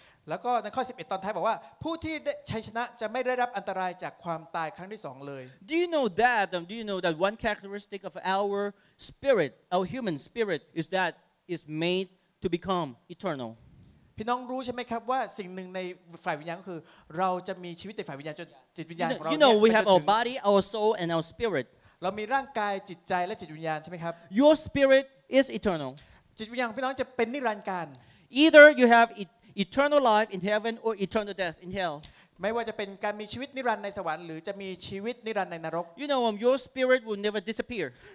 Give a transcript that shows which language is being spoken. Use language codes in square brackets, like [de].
[th] แล้วก็ในข้อ11ตอนท้ายบอกว่าผู้ที่ชัยชนะจะไม่ได้รับอันตรายจากความตายครั้งที่2เลย [en] Do you know that do you know that one characteristic of our spirit our human spirit is that is made to become eternal [th] พี่น้องรู้ใช่มั้ยครับว่าสิ่งนึงในฝ่ายวิญญาณก็คือเราจะมีชีวิตในฝ่ายวิญญาณจนจิตวิญญาณของเรา [en] You know we have our body our soul and our spirit [th] เรามีร่างกายจิตใจและจิตวิญญาณใช่มั้ยครับ [en] Your spirit is eternal [th] จิตวิญญาณพี่น้องจะเป็นนิรันดร์กาล [en] Either you have eternal life in heaven or eternal death in hell [th] ไม่ว่าจะเป็นการมีชีวิตนิรันดร์ในสวรรค์หรือจะมีชีวิตนิรันดร์ในนรก [en] You know your spirit will never disappear